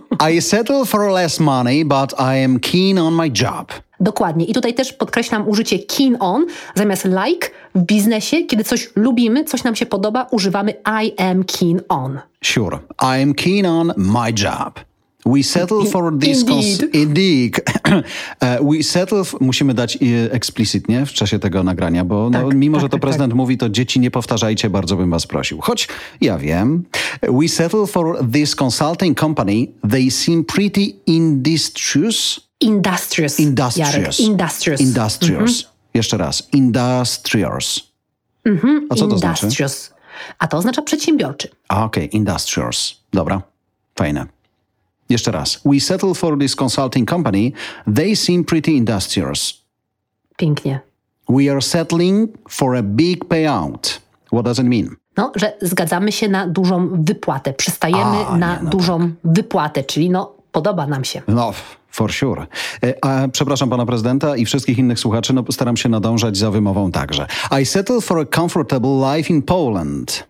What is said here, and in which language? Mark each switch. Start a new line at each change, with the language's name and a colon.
English: I settle for less money, but I am keen on my job.
Polish: Dokładnie. I tutaj też podkreślam użycie keen on zamiast like w biznesie. Kiedy coś lubimy, coś nam się podoba, używamy
English: I am keen on. Sure. I am keen on my job. We settle for this cause. Indeed. We settle.
Polish: Musimy dać explicitnie w czasie tego nagrania, bo tak, no, mimo, tak, że to tak, prezydent tak mówi, to dzieci nie powtarzajcie, bardzo bym was prosił. Choć ja wiem.
English: We settle for this consulting company. They seem pretty industrious. Industrious. Industrious. Jarek. Industrious. Industrious. Mm-hmm.
Polish: Jeszcze raz.
English: Industrious. Mm-hmm.
Polish: A co
English: industrious
Polish: to znaczy? A to oznacza przedsiębiorczy. Okej. Okay. Industrious. Dobra. Fajne. Jeszcze raz.
English: We settle for this consulting company. They seem pretty industrious.
Polish: Pięknie.
English: We are settling for a big payout. What does it mean?
Polish: No, że zgadzamy się na dużą wypłatę. Przystajemy wypłatę, czyli no, podoba nam się.
English: No, for sure.
Polish: A przepraszam pana prezydenta i wszystkich innych słuchaczy, no postaram się nadążać za wymową także.
English: I settle for a comfortable life in Poland.